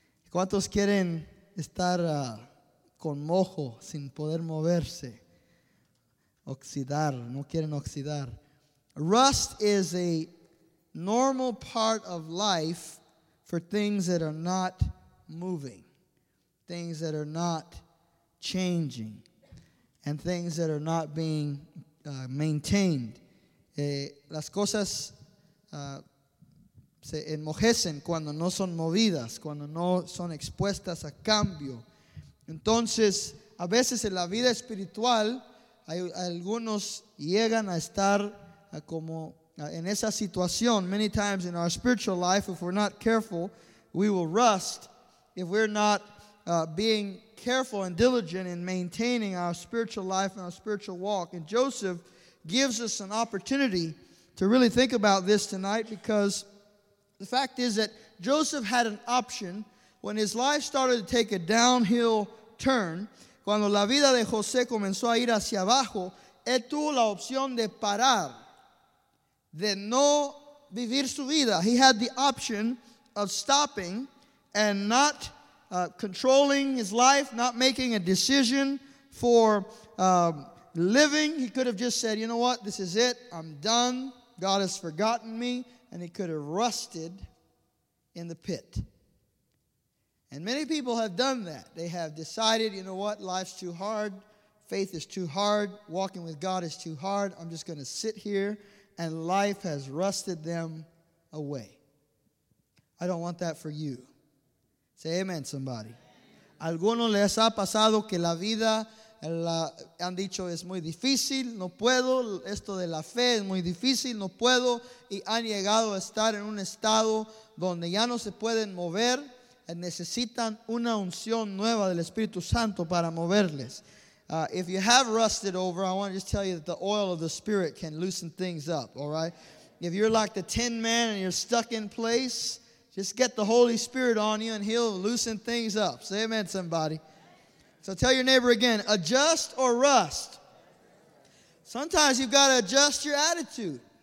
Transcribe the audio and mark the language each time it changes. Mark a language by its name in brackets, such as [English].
[Spanish] ¿Cuántos quieren estar con mojo, sin poder moverse? Oxidar, no quieren oxidar. [English] Rust is a normal part of life for things that are not moving, things that are not changing, and things that are not being maintained. [Spanish] Las cosas se enmojecen cuando no son movidas, cuando no son expuestas a cambio. Entonces, a veces en la vida espiritual, algunos llegan a estar como in esa situación. [English] Many times in our spiritual life, if we're not careful, we will rust. If we're not being careful and diligent in maintaining our spiritual life and our spiritual walk. And Joseph gives us an opportunity to really think about this tonight, because the fact is that Joseph had an option when his life started to take a downhill turn. [Spanish] Cuando la vida de José comenzó a ir hacia abajo, él tuvo la opción de parar. De no vivir su vida. [English] He had the option of stopping and not controlling his life, not making a decision for living. He could have just said, you know what, this is it, I'm done, God has forgotten me, and he could have rusted in the pit. And many people have done that. They have decided, you know what, life's too hard, faith is too hard, walking with God is too hard, I'm just going to sit here. And life has rusted them away. I don't want that for you. Say amen, somebody. [Spanish] Algunos les ha pasado que la vida, han dicho, es muy difícil, no puedo. Esto de la fe es muy difícil, no puedo. Y han llegado a estar en un estado donde ya no se pueden mover. Necesitan una unción nueva del Espíritu Santo para moverles. [English] If you have rusted over, I want to just tell you that the oil of the Spirit can loosen things up, all right? If you're like the tin man and you're stuck in place, just get the Holy Spirit on you and he'll loosen things up. Say amen, somebody. So tell your neighbor again, adjust or rust? Sometimes you've got to adjust your attitude.